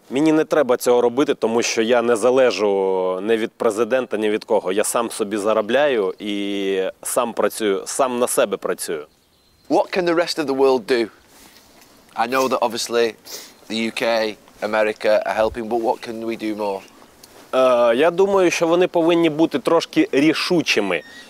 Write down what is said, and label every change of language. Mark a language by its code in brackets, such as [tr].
[uk] Мені не треба цього робити, тому що я не залежу ні від президента, ні від кого. Я сам собі заробляю і сам працюю, сам на себе працюю. [en] What can the rest of the world do? I know that obviously the UK, America are helping, but what can we do more? [uk] Я думаю, що вони повинні бути трошки рішучими.